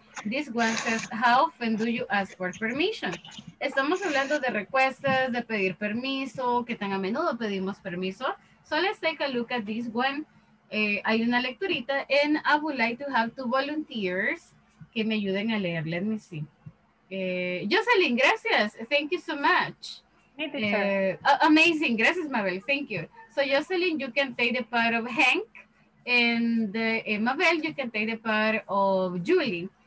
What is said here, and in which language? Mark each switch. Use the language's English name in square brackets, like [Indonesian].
[English] This one says, how often do you ask for permission? [Spanish] Estamos hablando de requests, de pedir permiso, que tan a menudo pedimos permiso. [English] So let's take a look at this one. [Spanish] Hay una lecturita, [English] and I would like to have two volunteers [Spanish] que me ayuden a leer. [English] Let me see. Jocelyn, gracias. Thank you so much. Amazing. Gracias, Mabel. Thank you. So Jocelyn, you can take the part of Hank, and Mabel, you can take the part of Julie.